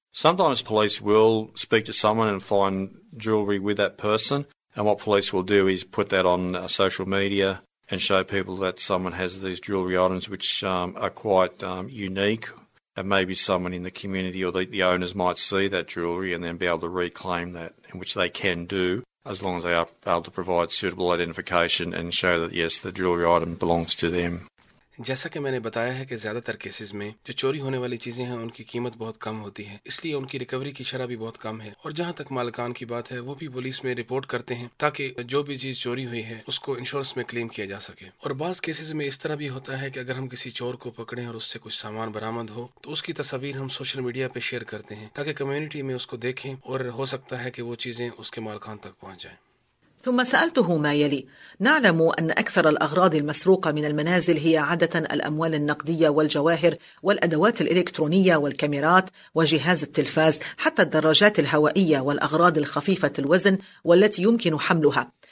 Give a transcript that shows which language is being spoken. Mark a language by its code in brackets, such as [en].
[en] Sometimes police will speak to someone and find jewellery with that person, and what police will do is put that on social media and show people that someone has these jewellery items which are quite unique, and maybe someone in the community or the owners might see that jewellery and then be able to reclaim that, which they can do as long as they are able to provide suitable identification and show that, yes, the jewellery item belongs to them. [ur] جیسا کہ میں نے بتایا ہے کہ زیادہ تر cases میں جو چوری ہونے والی چیزیں ہیں ان کی قیمت بہت کم ہوتی ہے، اس لیے ان کی ریکوری کی شرح بھی بہت کم ہے، اور جہاں تک مالکان کی بات ہے وہ بھی پولیس میں رپورٹ کرتے ہیں تاکہ جو بھی چیز چوری ہوئی ہے اس کو انشورنس میں کلیم کیا جا سکے. اور بعض کیسز میں اس طرح بھی ہوتا ہے کہ اگر ہم کسی چور کو پکڑیں اور اس سے کچھ سامان برآمد ہو تو اس کی تصاویر ہم سوشل میڈیا پہ شیئر کرتے ہیں تاکہ کمیونٹی میں اس کو دیکھیں اور ہو سکتا ہے کہ وہ چیزیں اس کے مالکان تک پہنچ جائیں. [ar] ثم سألته ما يلي: نعلم أن أكثر الأغراض المسروقة من المنازل هي عادة الأموال النقدية والجواهر والأدوات الإلكترونية والكاميرات وجهاز التلفاز، حتى الدراجات الهوائية والأغراض الخفيفة الوزن والتي يمكن حملها.